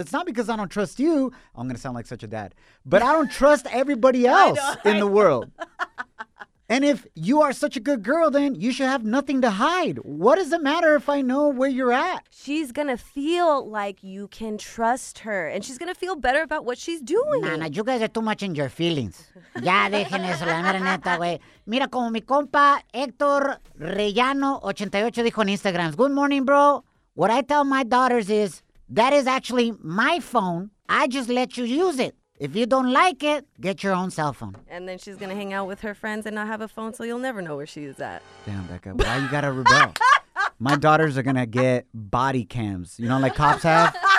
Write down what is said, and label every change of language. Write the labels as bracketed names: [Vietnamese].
[English] It's not because I don't trust you. I'm going to sound like such a dad. But I don't trust everybody else in the world. And if you are such a good girl, then you should have nothing to hide. What does it matter if I know where you're at? She's gonna feel like you can trust her, and she's gonna feel better about what she's doing. Nana, you guys are too much in your feelings. [Spanish] Ya dejen eso, la mera neta, güey. Mira como mi compa Héctor Rellano 88 dijo en Instagram. [English] Good morning, bro. What I tell my daughters is, that is actually my phone. I just let you use it. If you don't like it, get your own cell phone. And then she's going to hang out with her friends and not have a phone, so you'll never know where she is at. Damn, Becca, why you got to rebel? My daughters are going to get body cams. You know, like cops have?